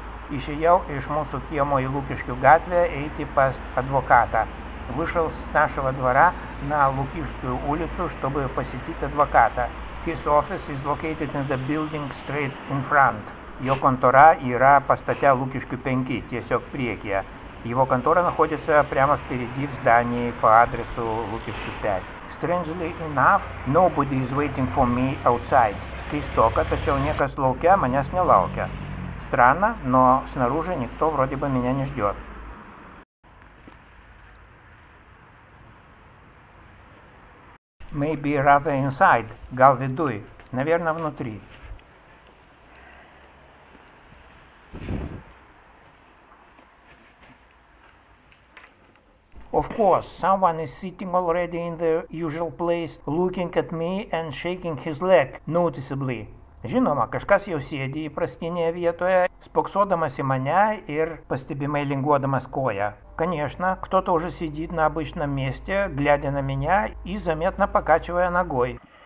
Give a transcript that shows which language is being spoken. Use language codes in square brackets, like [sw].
[lt] Išėjau iš mūsų kiemo į Lukiškių gatvę eiti pas advokatą. [ru] Вышел с нашего двора на Лукишскую улицу, чтобы посетить адвоката. [en] His office is located in the building straight in front. [lt] Jo kontora yra pastate Lukiškių 5, tiesiog priekyje. [ru] Его контора находится прямо впереди в здании по адресу Лукиши 5. [en] Strangely enough, nobody is waiting for me outside. [lt] Keistoka, tačiau niekas lauke manęs nelaukia. [ru] Странно, но снаружи никто вроде бы меня не ждет. [en] Maybe rather inside. [lt] Gal viduj. [ru] Наверное, внутри. [en] Of course, someone is sitting already in the usual place, looking at me and shaking his leg noticeably. [lt] Žinoma, kažkas jau sėdi įprastinėje vietoje, spoksodamas į mane ir pastebimai linguodamas koją. [ru] Конечно, кто-то уже сидит на обычном месте, глядя на меня и заметно покачивая ногой.